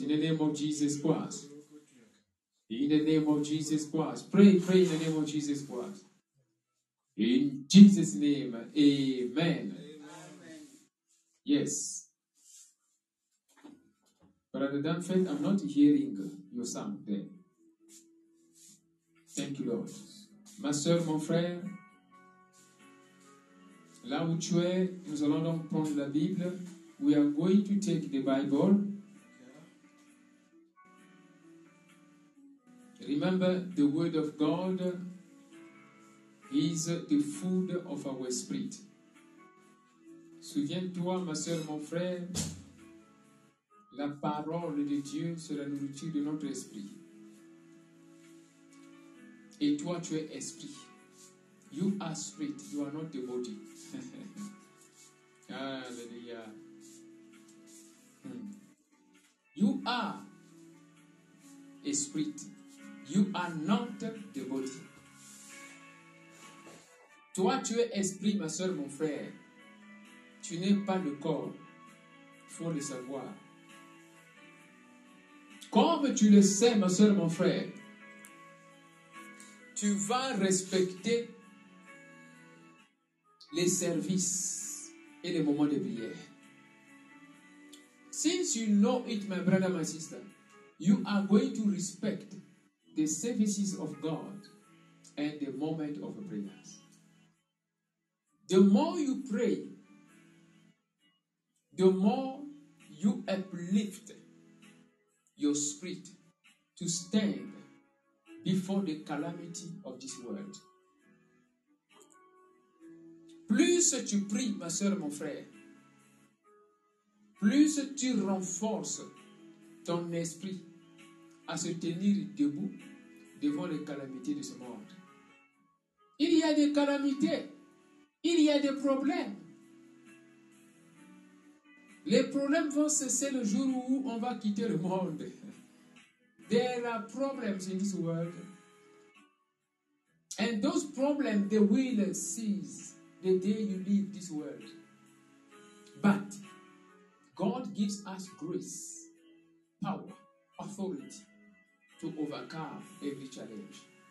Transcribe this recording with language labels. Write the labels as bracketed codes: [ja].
[en] In the name of Jesus Christ. In the name of Jesus Christ. Pray, pray in the name of Jesus Christ. In Jesus' name, amen. Yes. Brother Danfeld, I'm not hearing your sound there. Thank you, Lord. [fr] Ma soeur, mon frère, là où tu es, nous allons donc prendre la Bible. [en] We are going to take the Bible. Remember, the Word of God is the food of our spirit. [fr] Souviens-toi, ma soeur, mon frère, la parole de Dieu, c'est la nourriture de notre esprit. Et toi, tu es esprit. [en] You are spirit, you are not the body. Alléluia. You are spirit. You are not the body. [fr] Toi, tu es esprit, ma soeur, mon frère. Tu n'es pas le corps. Il faut le savoir. Comme tu le sais, ma soeur, mon frère, tu vas respecter les services et les moments de prière. [en] Since you know it, my brother, my sister, you are going to respect the services of God and the moment of prayers. The more you pray, the more you uplift your spirit to stand before the calamity of this world. [fr] Plus tu pries, ma soeur, mon frère, plus tu renforces ton esprit à se tenir debout devant les calamités de ce monde. Il y a des calamités, il y a des problèmes. Les problèmes vont cesser le jour où on va quitter le monde. [en] There are problems in this world. And those problems, they will cease the day you leave this world. But God gives us grace, power, authority to overcome every challenge.